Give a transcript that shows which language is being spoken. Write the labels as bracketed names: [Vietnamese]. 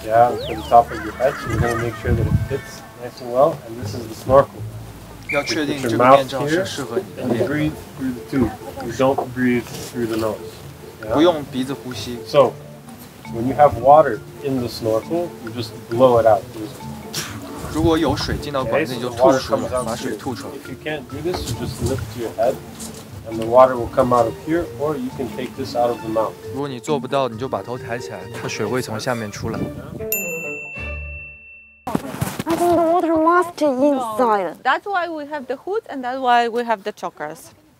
[English] Yeah, for the top of your head. So we're going to make sure that it fits nice and well. And this is the snorkel. You put your mouth here and you breathe through the tube. You don't breathe through the nose. [Chinese] Yeah? 不用鼻子呼吸 [English] So,When you have water in the snorkel, you just blow it out. [Chinese] 如果有水进到管子，你就吐出来，把水吐出来。 [English] If you can't do this, you just lift to your head, and the water will come out of here, or you can take this out of the mouth. [Chinese] 如果你做不到，你就把头抬起来，它水会从下面出来。 [English] I think the water must be inside. That's why we have the hood, and that's why we have the chokers.